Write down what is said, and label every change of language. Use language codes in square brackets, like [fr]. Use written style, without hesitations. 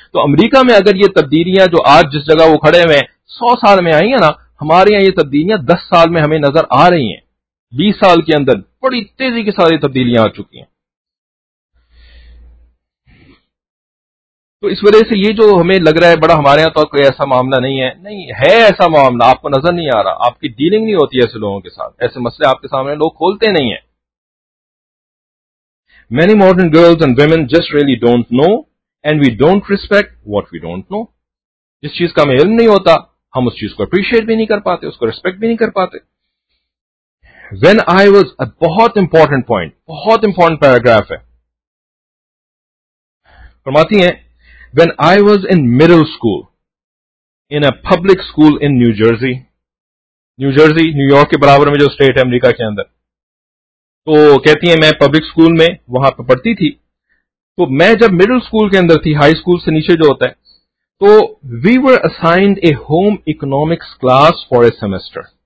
[ur] تو امریکہ میں اگر یہ تبدیلیاں جو آج جس جگہ وہ کھڑے ہوئے ہیں 100 سال میں آئی ہیں نا, ہمارے یہاں یہ تبدیلیاں 10 سال میں ہمیں نظر آ رہی ہیں, 20 سال کے اندر بڑی تیزی کے ساتھ یہ تبدیلیاں آ چکی ہیں. تو اس وجہ سے یہ جو ہمیں لگ رہا ہے بڑا ہمارے یہاں تو کوئی ایسا معاملہ نہیں ہے, نہیں ہے ایسا معاملہ, آپ کو نظر نہیں آ رہا, آپ کی ڈیلنگ نہیں ہوتی ایسے لوگوں کے ساتھ, ایسے مسئلے آپ کے سامنے لوگ کھولتے نہیں ہیں. [en] Many modern girls and women just really don't know and we don't respect what we don't know. [ur] جس چیز کا ہمیں علم نہیں ہوتا ہم اس چیز کو اپریشیٹ بھی نہیں کر پاتے, اس کو ریسپیکٹ بھی نہیں کر پاتے. [en] When I was a [ur] بہت امپورٹنٹ پوائنٹ, بہت امپورٹنٹ پیراگراف ہے, فرماتی ہیں, [en] When I was in middle school in a public school in New Jersey, [ur] new York کے برابر میں جو اسٹیٹ ہے امریکہ کے اندر, تو کہتی ہیں میں پبلک اسکول میں وہاں پہ پڑھتی تھی, تو میں جب مڈل اسکول کے اندر تھی, ہائی اسکول سے نیچے جو ہوتا ہے, تو [en] We were assigned a home economics class for a semester.